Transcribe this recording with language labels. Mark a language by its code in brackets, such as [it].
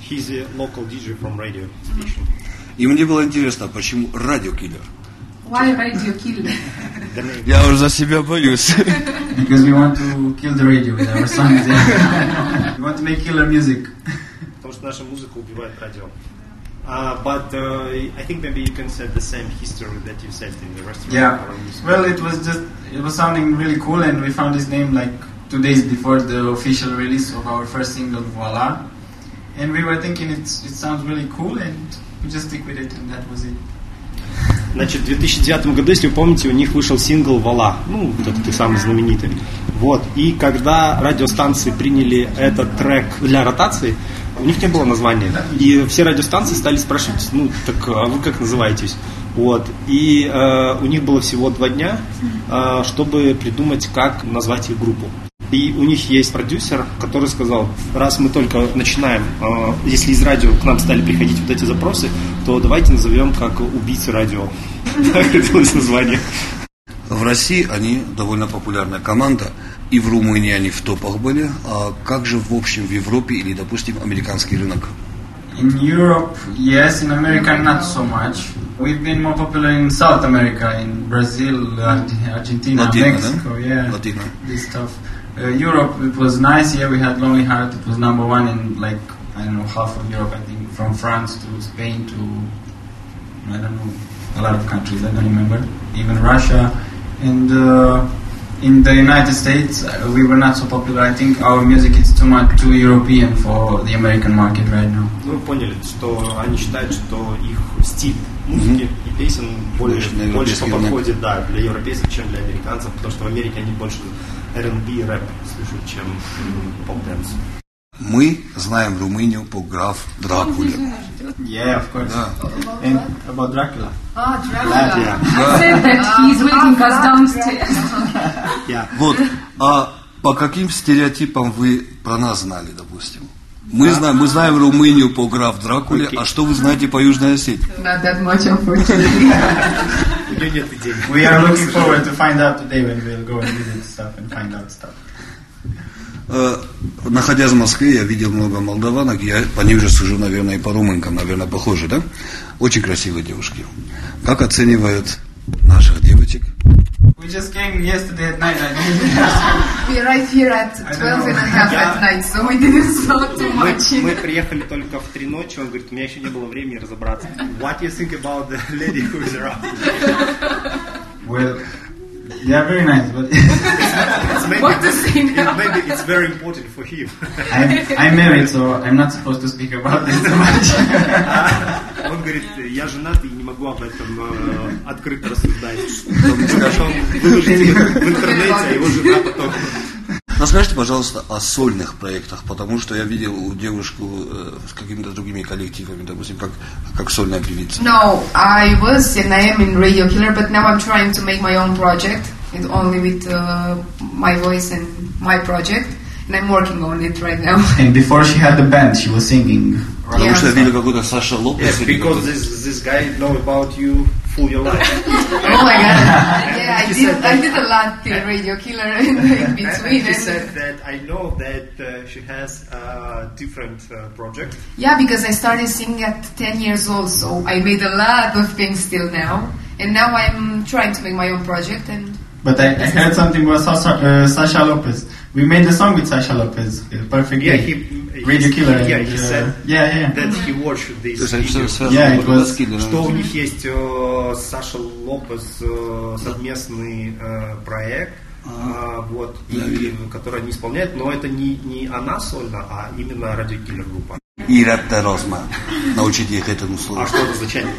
[en] He's a local DJ from radio station. [ru] И мне было интересно, почему Radio Killer? [en] Why Radio Killer? [ru] Я уже за себя боюсь. [en] Because we want to kill the radio with our songs. We want to make killer music. [ru] Потому что наша музыка убивает радио. [en] But I think maybe you can set the same history that you said in the restaurant. Yeah. Well, it was sounding really cool, and we found his name like 2 days before the official release of our first single, Voila. And we were thinking it sounds really cool, and we just stick with it, and that was it. [ru] Значит, в 2009 году, если вы помните, у них вышел сингл «Вала». Ну, вот этот и самый знаменитый. Вот. И когда радиостанции приняли этот трек для ротации, у них не было названия. И все радиостанции стали спрашивать, ну, так, а вы как называетесь? Вот. И у них было всего 2 дня, чтобы придумать, как назвать их группу. И у них есть продюсер, который сказал, раз мы только начинаем, если из радио к нам стали приходить вот эти запросы, то давайте назовем как «Убийцы радио». Так родилось название. В России они довольно популярная команда, и в Румынии они в топах были. А как же в общем в Европе или, допустим, американский рынок? [en] In Europe, yes, in America not so much. We've been more popular in South America, in Brazil, Argentina, Latina, Mexico, yeah, this stuff. Europe, it was nice. Yeah, we had Lonely Heart. It was number one in like I don't know half of Europe. I think from France to Spain to I don't know a lot of countries. I don't remember even Russia. And in the United States, we were not so popular. I think our music is too much too European for the American market right now. [ru] Ну, поняли, что они считают, что их стиль музыки и песен больше подходит, да, для европейцев, чем для американцев, потому что в Америке они больше R&B, рэп слышат, чем поп-дэнс. Мы знаем Румынию по граф Дракуле. [en] Yeah, of course. Yeah. And about Dracula. Ah, Dracula. Yeah. Yeah. Yeah. Said that he's waiting us downstairs. [ru] Yeah. Вот. А по каким стереотипам вы про нас знали, допустим? Мы знаем Румынию по граф Дракуле, okay. А что вы знаете по Южной Осетии? [en] Not that much, unfortunately. [ru] У меня нет идей. [en] We are looking forward to find out today when we'll go and visit stuff and find out stuff. [ru] Находясь в Москве, я видел много молдаванок, я по ней уже сужу, наверное, и по румынкам, наверное, похоже, да? Очень красивые девушки. Как оценивают наших девочек? [en] We just came yesterday at night. We're right here at 12 and a half at night, so we didn't smell too much. [ru] Мы приехали только в 3 ночи, он говорит, у меня еще не было времени разобраться. [en] What do you think about the lady who is around? Well... Yeah, very nice, but maybe it's very important for him. I'm married, so I'm not supposed to speak about this too much. [ru] Он говорит, я женат и не могу об этом открыто рассуждать. В интернете, а его жена потом. Расскажите, пожалуйста, о сольных проектах, потому что я видел девушку с какими-то другими коллективами, допустим, как сольная певица. [en] No, I was and I am in Radio Killer, but now I'm trying to make my own project, and only with my voice and my project, and I'm working on it right now. And before she had the band, she was singing. Right? [ru] Потому что я видел какой-то Саша Лопес. [en] Yes, because this guy know about you. Oh my God! Yeah, I did a lot to Radio Killer in between. She said that I know that she has a different project. Yeah, because I started singing at 10 years old, so I made a lot of things till now, and now I'm trying to make my own project. And but I heard something about Sasha Lopez. We made a song with Sasha Lopez. Perfect. Yeah, Radio Killer. Yeah, and, he said that he watched this video. Yeah, it was killer. [ru] Что у них есть Саша Лопес совместный проект, вот, который они исполняют, но это не она сольно, а именно Radio Killer группа. Ира Тарозма. Научите их этому слову. А что это означает?